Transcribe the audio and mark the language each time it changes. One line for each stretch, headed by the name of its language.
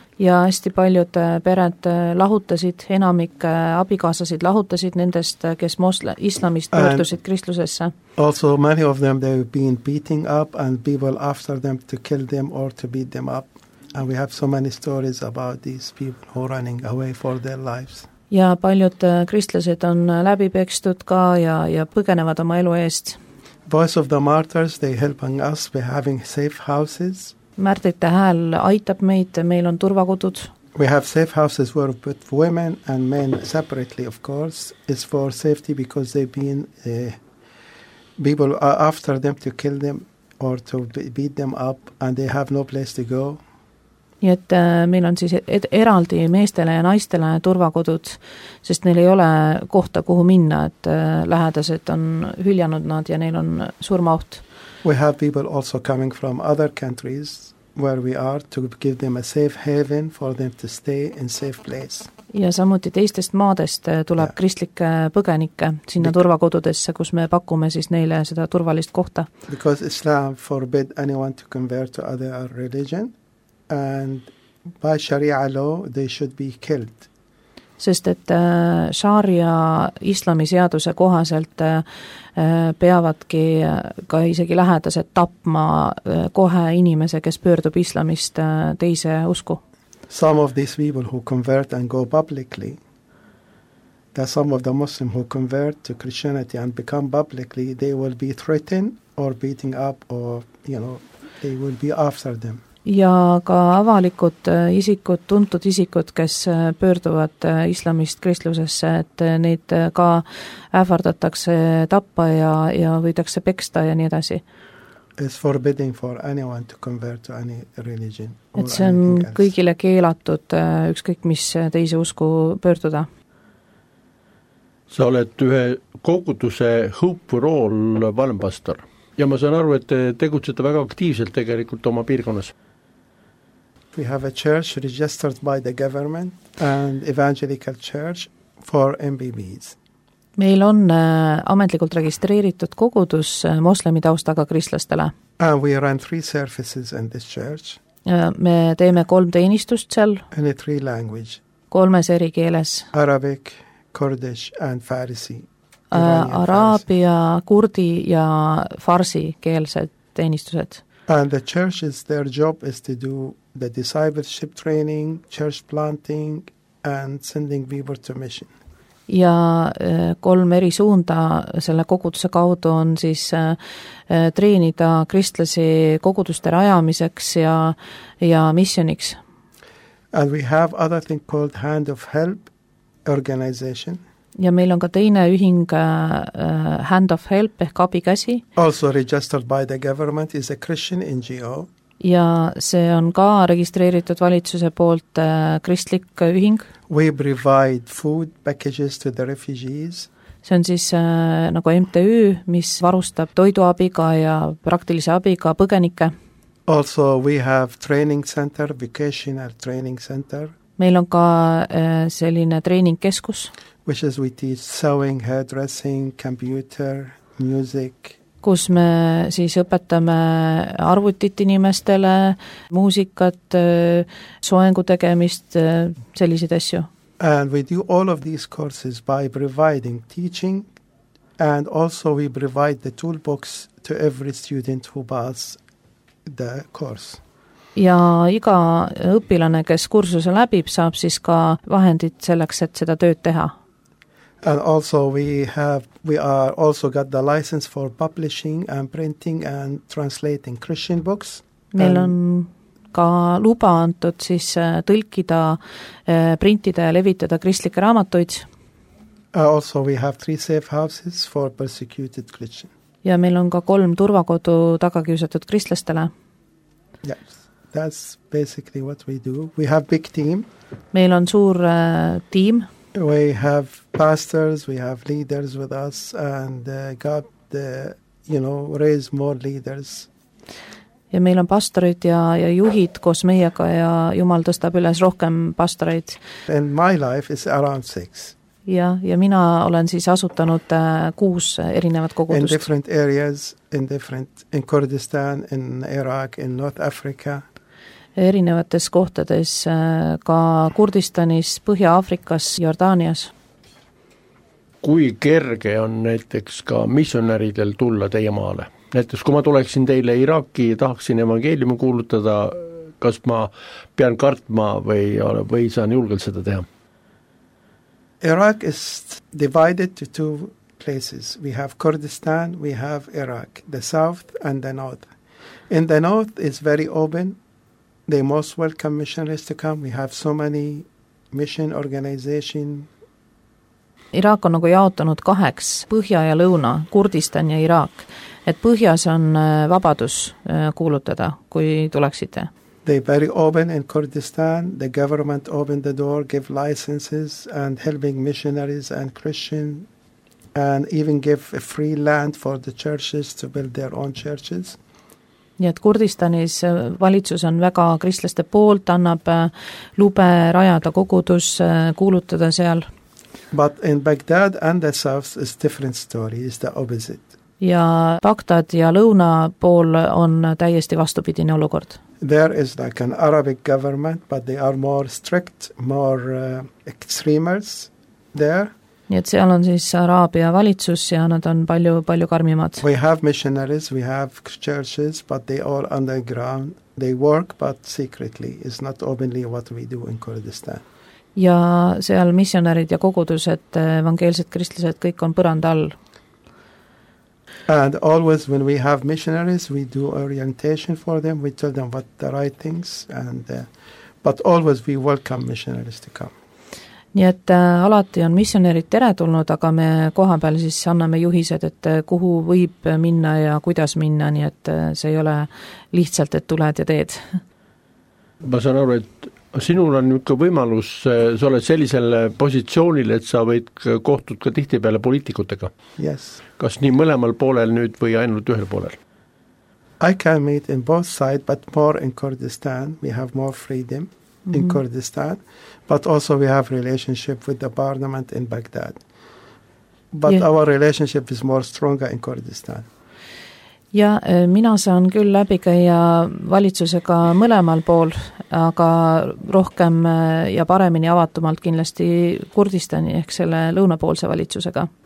Estonian: Ja hästi paljud pered lahutasid, enamik abikaasasid lahutasid nendest, kes islamist pöördusid kristlusesse.
English: Also many of them they've been beating up and people after them to kill them or to beat them up. And we have so many stories about these people who are running away for their lives.
Estonian: Ja paljud kristlased on läbi pekstud ka ja põgenevad oma elu eest.
English: Voice of the Martyrs, they helping us, we having safe houses.
Estonian: Märdite hääl aitab meid, meil on turvakodud.
English: We have safe houses where we put women and men separately, of course. It's for safety because they've been people after them to kill them or to beat them up and they have no place to go.
Estonian: Ja et meil on siis eraldi meestele ja naistele turvakodud, sest neil ei ole kohta, kuhu minna, et lähedased on hüljanud nad ja neil on surmaoht.
English: We have people also coming from other countries where we are to give them a safe haven for them to stay in safe place.
Estonian: Ja samuti teistest maadest tuleb kristlike põgenike sinna turvakodudesse, kus me pakume siis neile seda turvalist kohta.
English: Because Islam forbid anyone to convert to other religion and by Sharia law they should be killed.
Estonian: Sest et Sharia islamiseaduse kohaselt peavadki ka isegi lähedased tapma kohe inimese, kes pöördub islamist teise usku.
English: Some of these people who convert and go publicly, that some of the Muslims who convert to Christianity and become publicly, they will be threatened or beating up or, you know, they will be after them.
Estonian: Ja ka avalikud isikud, tuntud isikud, kes pöörduvad islamist kristlusesse, et neid ka ähvardatakse tappa ja võidakse peksta ja nii edasi.
English: It's forbidding for anyone to convert to any religion.
Estonian: Et see on kõigile keelatud ükskõik, mis teise usku pöörduda. Sa oled ühe koguduse Hope Roll valmpastor. Ja ma saan aru, et te tegutsete väga aktiivselt tegelikult oma piirkonnas.
English: We have a church registered by the government and evangelical church for MBBs.
Estonian: Meil on ametlikult registreeritud kogudus moslemi taustaga kristlastele.
English: And we run 3 services in this church.
Estonian: Me teeme 3 teenistust seal.
English: In 3 language.
Estonian: Kolmes eri keeles.
English: Arabic, Kurdish and Farsi.
Estonian: Araabia, kurdi ja farsi keelsed teenistused.
English: And the church's their job is to do the discipleship training, church planting and sending people to mission.
Estonian: Ja kolm eri suunda selle koguduse kaudu on siis treenida kristlasi koguduste rajamiseks ja missioniks.
English: And we have other thing called Hand of Help organization.
Estonian: Ja meil on ka teine ühing Hand of Help ehk abikäsi.
English: Also registered by the government is a Christian NGO.
Estonian: Ja see on ka registreeritud valitsuse poolt kristlik ühing.
English: We provide food packages to the refugees.
Estonian: See on siis nagu MTÜ, mis varustab toiduabiga ja praktilise abiga põgenike.
English: Also we have training center, vocational training center.
Estonian: Meil on ka selline treeningkeskus.
English: Which is we teach sewing, hairdressing, computer, music.
Estonian: Kus me siis õpetame arvutit inimestele, muusikat, soengu tegemist, sellised asju.
English: And we do all of these courses by providing teaching and also we provide the toolbox to every student who passes the course.
Estonian: Ja iga õpilane, kes kursuse läbib, saab siis ka vahendid selleks, et seda tööd teha.
English: And also we also got the license for publishing and printing and translating Christian books.
Estonian: Meil on ka luba antud siis tõlkida, printida ja levitada kristlike raamatuid.
English: Also we have 3 safe houses for persecuted Christians.
Estonian: Ja meil on ka 3 turvakodu tagakiusatud kristlastele.
English: Yes, that's basically what we do. We have big team.
Estonian: Meil on suur tiim.
English: We have pastors, we have leaders with us and God, you know, raise more leaders.
Estonian: Ja meil on pastorid ja juhid koos meiega ja Jumal tõstab üles rohkem pastoreid.
English: And my life is around 6.
Estonian: Ja mina olen siis asutanud 6 erinevat kogudust.
English: In different areas, in Kurdistan, in Iraq, in North Africa.
Estonian: Erinevates kohtades ka Kurdistanis, Põhja-Aafrikas, Jordaanias. Kui kerge on näiteks ka missionäridel tulla teie maale? Näiteks kui ma tuleksin teile Iraki ja tahaksin evangeeliumi kuulutada, kas ma pean kartma või saan julgelt seda teha?
English: Iraq is divided to 2 places. We have Kurdistan, we have Iraq, the south and the north. In the north is very open. They most welcome missionaries to come. We have so many mission organization.
Estonian: Iraak on nagu jaotanud 2 põhja ja lõuna, Kurdistan ja Iraak. Et põhjas on vabadus kuulutada, kui tuleksite.
English: They very open in Kurdistan. The government opened the door, give licenses and helping missionaries and Christian and even give a free land for the churches to build their own churches.
Estonian: Ja et Kurdistanis valitsus on väga kristlaste poolt, annab lube rajada kogudus, kuulutada seal.
English: But in Baghdad and the south is different story, is the opposite.
Estonian: Ja Bagdad ja lõuna pool on täiesti vastupidine olukord.
English: There is like an Arabic government, but they are more strict, more extremers there.
Estonian: Nii et seal on siis Araabia valitsus ja nad on palju, palju karmimad.
English: We have missionaries, we have churches, but they all underground. They work, but secretly. It's not openly what we do in Kurdistan.
Estonian: Ja seal missionärid ja kogudused, evangeelsed kristlised, kõik on põrand all.
English: And always when we have missionaries, we do orientation for them. We tell them what the right things. But always we welcome missionaries to come.
Estonian: Nii et alati on missionärid teretulnud, aga me koha peal siis anname juhised, et kuhu võib minna ja kuidas minna, nii et see ei ole lihtsalt, et tuled ja teed. Ma saan aru, et sinul on ikka võimalus, sa oled sellisel positsioonil, et sa võid kohtud ka tihti peale poliitikutega.
English: Yes.
Estonian: Kas nii mõlemal poolel nüüd või ainult ühel poolel?
English: I can meet in both sides, but more in Kurdistan. We have more freedom. In Kurdistan, but also we have relationship with the parliament in Baghdad. But yeah. Our relationship is more stronger in Kurdistan.
Estonian: Ja mina saan küll läbi käia valitsusega mõlemal pool, aga rohkem ja paremini avatumalt kindlasti Kurdistani, ehk selle lõunapoolse valitsusega.